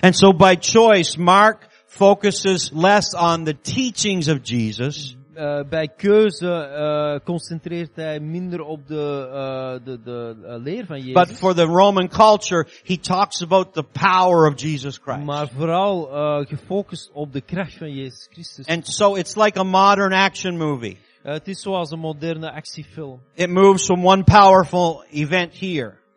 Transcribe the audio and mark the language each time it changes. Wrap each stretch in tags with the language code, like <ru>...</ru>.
<en>And so by choice, Mark focuses less on the teachings of Jesus.</en> <nl>Bij keuze concentreert hij minder op de leer van Jezus.</nl> <en>But for the Roman culture, he talks about the power of Jesus Christ.</en> <nl>Maar vooral gefocust op de kracht van Jezus Christus.</nl> <en>And so it's like a modern action movie.</en> <nl>Het is zoals een moderne actiefilm.</nl> <en>It moves from one powerful event here.</en>